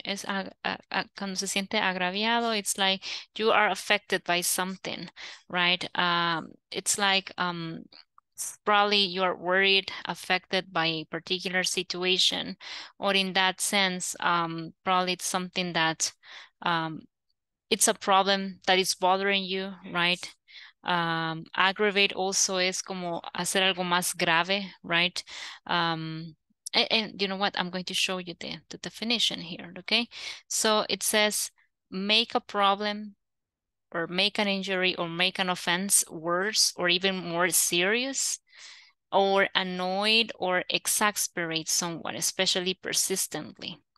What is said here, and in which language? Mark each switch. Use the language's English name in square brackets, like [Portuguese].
[Spanish] Es cuando se siente agraviado, [English] it's like you are affected by something, right? It's like probably you are worried, affected by a particular situation, or in that sense, probably it's something that it's a problem that is bothering you, right? Aggravate also is [Spanish] como hacer algo más grave, [English] right? And you know what? I'm going to show you the definition here, okay? So it says make a problem or make an injury or make an offense worse or even more serious, or annoyed or exasperate someone, especially persistently.